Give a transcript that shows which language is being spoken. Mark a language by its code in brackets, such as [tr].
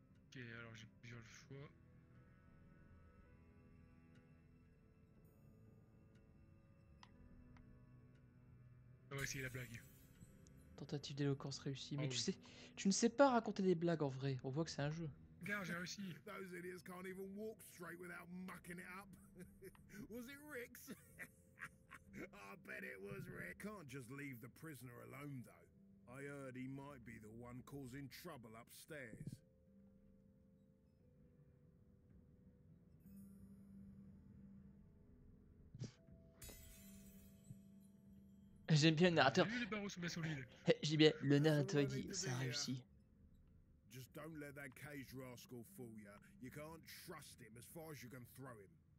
[fr] Ok, alors j'ai plusieurs choix. On va essayer la blague. Tentative d'éloquence réussie. Mais oh tu oui. Sais, tu ne sais pas raconter des blagues en vrai. On voit que c'est un jeu. Regarde, j'ai réussi. [en] Those idiots can't even walk straight without mucking it up. Was it Rick's? I bet it was Rick. Can't just leave the prisoner alone though. I heard he might be the one causing trouble upstairs. [fr] J'aime bien le narrateur. J'ai vu les barreaux sous ma solide. J'aime bien le narrateur, il dit, ça a réussi. [en] Just don't let that caged rascal fool you. You can't trust him as far as you can throw him.